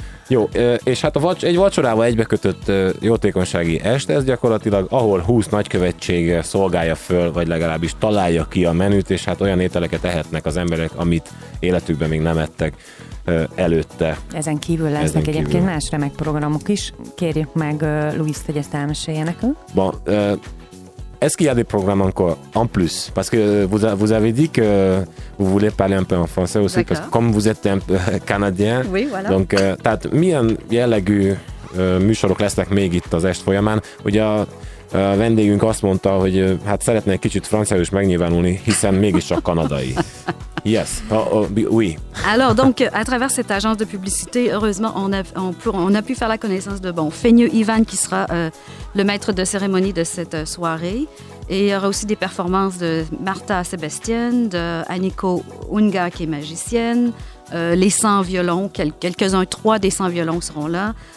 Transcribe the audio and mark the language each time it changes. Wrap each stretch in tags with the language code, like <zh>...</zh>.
<hu>Jó, és hát egy vacsorával egybekötött jótékonysági este, ez gyakorlatilag, ahol 20 nagykövetség szolgálja föl, vagy legalábbis találja ki a menüt, és hát olyan ételeket ehetnek az emberek, amit életükben még nem ettek előtte. Ezen kívül lesznek egyébként más remek programok is. Kérjük meg Luis-t, hogy ezt elmesélje nekünk.</hu> <fr>Bon, est-ce qu'il y a des programmes encore en plus? Parce que vous avez dit que vous voulez parler un peu en français aussi, d'accord, parce que comme vous êtes un peu canadien, oui, voilà.</fr> <hu>Donc, tehát milyen jellegű műsorok lesznek még itt az est folyamán? Ugye a vendégünk azt mondta, hogy hát szeretne egy kicsit franciául is megnyilvánulni, hiszen mégiscsak kanadai.</hu> <fr>Yes, oui. Alors donc à travers cette agence de publicité, heureusement on a pu faire la connaissance de bon Feigneux Ivan qui sera le maître de cérémonie de cette soirée, et il y aura aussi des performances de Martha Sébastien, de Aniko Unga qui est magicienne, les 100 violons, trois des 100 violons seront là.</fr>